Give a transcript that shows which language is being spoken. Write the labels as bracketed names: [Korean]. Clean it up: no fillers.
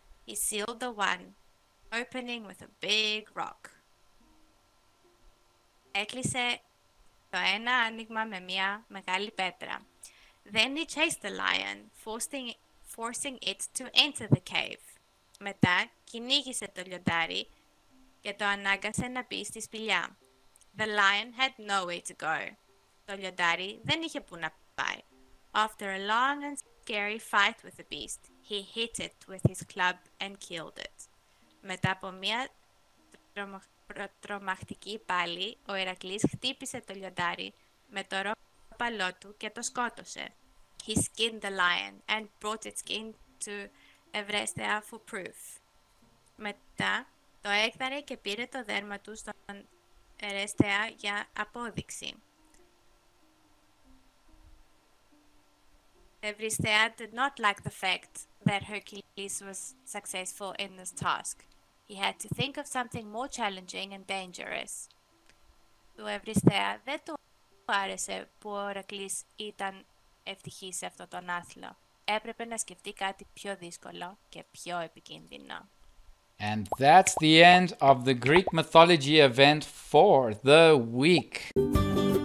[English] He sealed the one opening with a big rock. [Greek] Έκλεισε το ένα άνοιγμα με μια μεγάλη πέτρα. [English] Then he chased the lion, forcing it to enter the cave. Μετά κυνήγησε το λιοντάρι και το ανάγκασε να μπει στη σπηλιά. The lion had no way to go. [Greek] Το λιοντάρι δεν είχε που να πάει. [English] After a long and scary fight with the beast, he hit it with his club and killed it. [Greek] Μετά από μια τρομακτική πάλη, ο Ηρακλής χτύπησε το λιοντάρι με το ρόπαλό του και το σκότωσε. [English] He skinned the lion and brought its skin to Ευρέσθεα for proof. [Greek] Μετά το έκθαρε και πήρε το δέρμα του στον Ευρέσθεα για απόδειξη. [English] Ευρυστέα did not like the fact that Hercules was successful in this task. He had to think of something more challenging and dangerous. [Greek] Του Ευρυστέα δεν του άρεσε που ο Ηρακλής ήταν ευτυχής σε αυτό τον άθλο. έπρεπε να σκεφτεί κάτι πιο δύσκολο και πιο επικίνδυνο. [English] And that's the end of the Greek mythology event for the week.